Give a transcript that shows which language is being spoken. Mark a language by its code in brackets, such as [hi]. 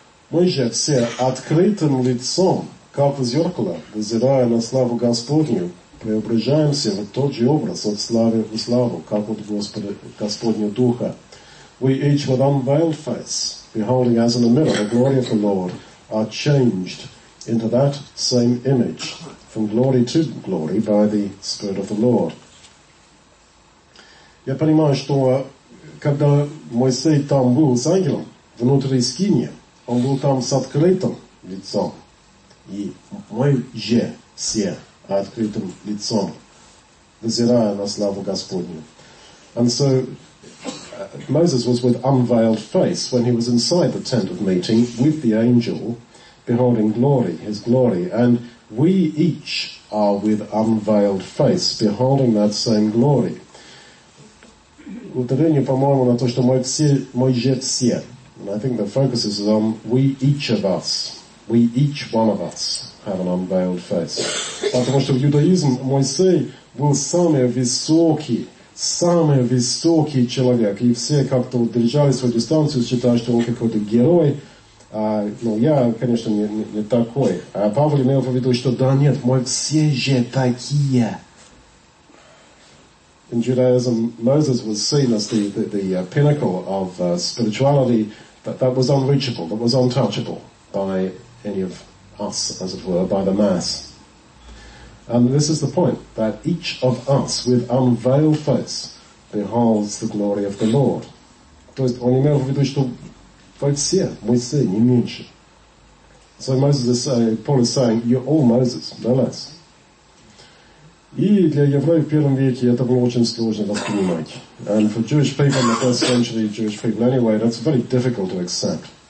[ru] Мы же все открытым лицом, как в зеркало, взирая на славу Господню, преображаемся в тот же образ от славы в славу, как от Господа, Господня Духа. [en] We each with unveiled face, beholding as in a mirror the glory of the Lord, are changed into that same image, from glory to glory, by the Spirit of the Lord. [ru] Я понимаю, что когда Моисей там был с ангелом, внутри скинии, он был там с открытым лицом. И мы же все открытым лицом, взирая на славу Господню. [en] And so Moses was with unveiled face when he was inside the tent of meeting with the angel, beholding glory, his glory. And we each are with unveiled face, beholding that same glory. [ru] Ударение, по-моему, на то, что мы же все. [en] And I think the focus is on we each of us. We each one of us have an unveiled face. [ru] Потому что в иудаизме Моисей был самый высокий человек. И все как-то держали свою дистанцию, считая, что он какой-то герой. Ну, я, конечно, не такой. А Павел имел в виду, что да нет, мы все же такие. [en] In Judaism, Moses was seen as the pinnacle of spirituality that was unreachable, that was untouchable by any of us, as it were, by the mass. And this is the point, that each of us, with unveiled face, beholds the glory of the Lord. [ru] То есть, он имел в виду, что вы все, мы все, не меньше. [en] So Moses is saying, Paul is saying, you're all Moses, no less. [ru] И для евреев в первом веке это было очень сложно воспринимать. [en] And for Jewish people in the first century, Jewish people anyway, that's very difficult to accept.